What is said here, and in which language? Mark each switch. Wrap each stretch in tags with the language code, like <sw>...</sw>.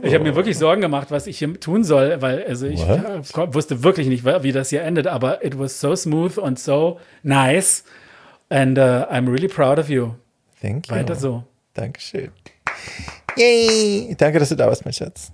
<de>Ich habe mir wirklich Sorgen gemacht, was ich hier tun soll, weil also ich wusste wirklich nicht, wie das hier endet, aber</de> <en>it was so smooth and so nice. And I'm really proud of you. Thank you.</en> <de>Weiter so. Dankeschön. Yay! Danke, dass du da warst, mein Schatz.</de>